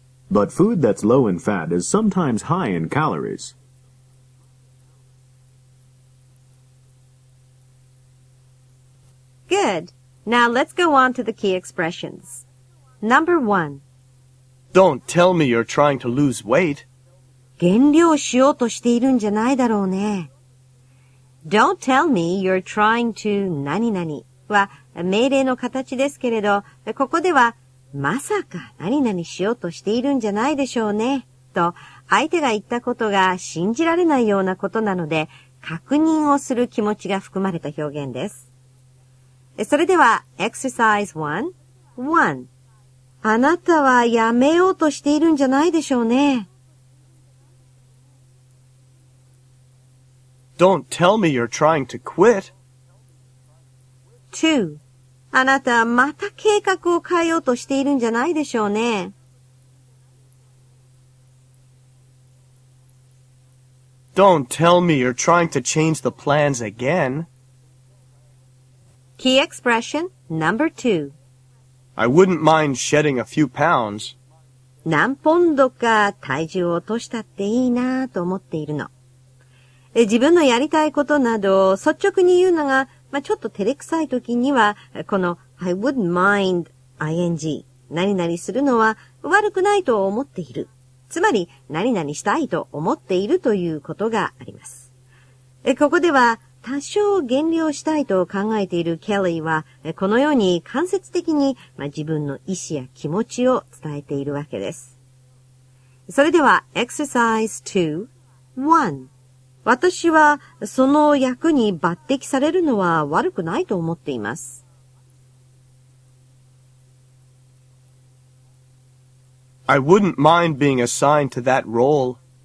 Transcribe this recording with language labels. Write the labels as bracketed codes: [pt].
[en] But food that's low in fat is sometimes high in calories. Good. Now let's go on to the key expressions. Number one. Don't tell me you're trying to lose weight. [ja] 減量しようとしているんじゃないだろうね。 [en] Don't tell me you're trying to [ja] 何々。は命令の形ですけれど、ここではまさか何々しようとしているんじゃないでしょうねと相手が言ったことが信じられないようなことなので確認をする気持ちが含まれた表現です。それではExercise 1 あなたはやめようとしているんじゃないでしょうね。 [en] Don't tell me you're trying to quit. 2. [ja] あなたまた計画を変えようとしているんじゃないでしょうね。 [en] Don't tell me you're trying to change the plans again. Key expression number 2. I wouldn't mind shedding a few pounds. [ja] 何ポンドか体重を落としたっていいなと思っているの。自分のやりたいことなど率直に言うのがまあ、ちょっと照れくさい時には、この [en] I wouldn't mind ing [ja] 何々するのは悪くないと思っている。つまり何々したいと思っているということがあります。ここでは多少減量したいと考えているケリーはこのように間接的に、まあ、自分の意思や気持ちを伝えているわけです。それでは Exercise 2.1 私はその役に抜擢されるのは悪くないと思っています。 [en] I wouldn't mind being assigned to that role.